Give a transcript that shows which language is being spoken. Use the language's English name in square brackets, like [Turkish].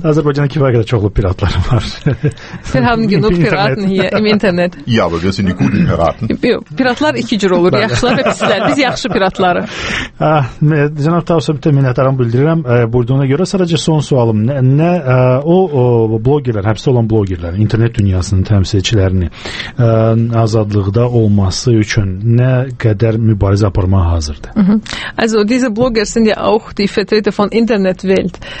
[Azerbaijani] Azərbaycan kifayət qədər çoxlu piratlar var. [German] Wir haben genug Piraten hier im Internet. Ja, aber wir sind die guten Piraten. [Azerbaijani] Piratlar iki cür olur, yaxşılar və pislər. Biz yaxşı piratları. Cənab Tavsu, bütün minnətdarım bildirirəm. Buyurduğuna görə sadəcə son sualım. Blogerlər, həbsdə olan blogerlər, internet dünyasının təmsilçilərini azadlıqda olması üçün nə qədər mübarizə aparmağa hazırdır? [German] Also, diese Blogger sind ja auch die Vertreter von Internetwelt.